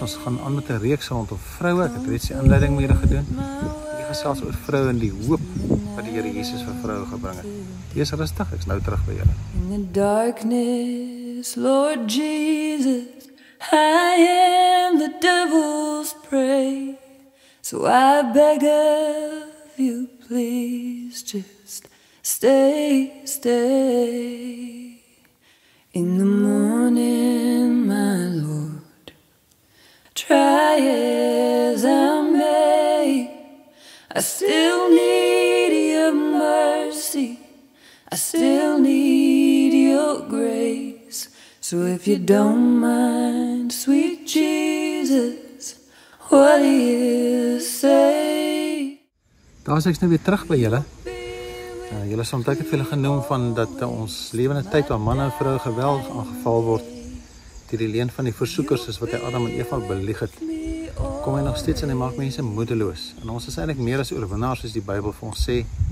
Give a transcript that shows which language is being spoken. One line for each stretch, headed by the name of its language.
Afrikaans: Ons gaan aan met 'n reeks rondom vroue. Ek het reeds die inleiding mee gedoen. Ek gesels oor vroue en die hoop wat die Here Jesus vir vroue gebring het. Wees rustig, ek's nou terug by julle.
English: In the darkness, Lord Jesus, I am the devil's prey, so I beg of you, please just stay, stay. In the morning, my Lord, try as I may, I still need your mercy, I still need your grace. So if you don't mind, sweet Jesus, what do you say?
Afrikaans: Daar is ek nou weer terug by julle. Julle sal ontdek het vir julle genoem van dat ons lewe in 'n tyd waar manne en vroue geweld aangeval word deur die leen van die versoekers soos wat hy Adam en Eva belieg het. Kom hy nog steeds en hy maak mense moedeloos. En ons is eintlik meer as oorwinnaars soos die Bybel vir ons sê.